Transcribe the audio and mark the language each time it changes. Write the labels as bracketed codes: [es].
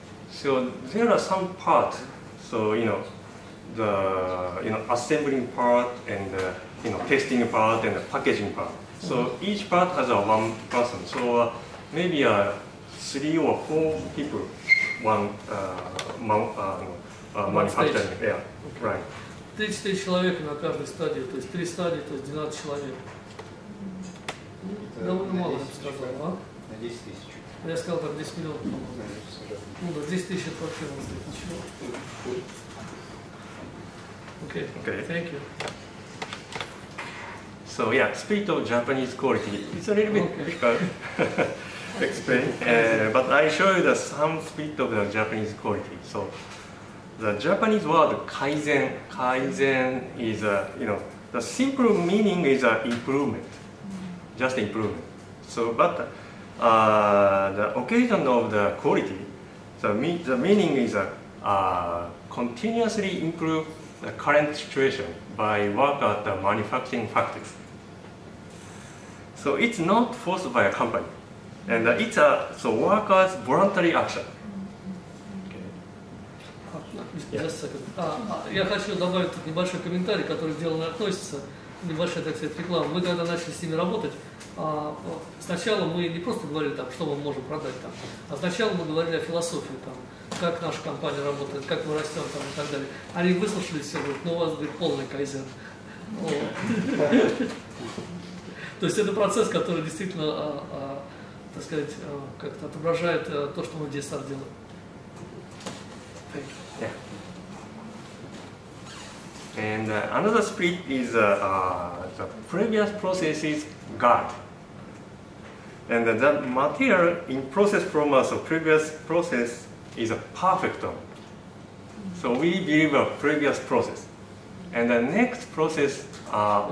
[en] So there are some parts, so you know, the you know assembling part and the, you know testing part and the packaging part. So mm-hmm. each part has a one person. So maybe a three or four people, manufacturing. One yeah, okay. Right. [ru] 30 человек на каждой стадии, то есть 3 стадии, то есть 12 человек. Довольно мало, я бы сказал, а? На 10 тысяч. Я сказал так, 10 миллионов, по-моему. Ну да, 10 тысяч это вообще не стоит ничего. [en] Окей, thank you. So yeah, speed of Japanese quality, it's a little bit difficult to explain, but I show you the some speed of the Japanese quality, so the Japanese word kaizen is you know the simple meaning is improvement, just improvement. So but the occasion of the quality, the meaning is continuously improve the current situation by work at the manufacturing factory. So it's not forced by a company, and it's a so workers voluntary action. [ru] Я хочу добавить тут небольшой комментарий, который сделан и относится, небольшая, так сказать, реклама. Мы когда начали с ними работать, сначала мы не просто говорили, там, что мы можем продать, там, а сначала мы говорили о философии, там, как наша компания работает, как мы растем там, и так далее. Они выслушали все, говорят, ну у вас говорит, полный кайзен. То есть это процесс, который действительно, так сказать, как-то отображает то, что мы здесь сам делаем. [en] And another split is the previous process is guard. And the material in process from the so previous process is a perfect one. So we believe a previous process. And the next process are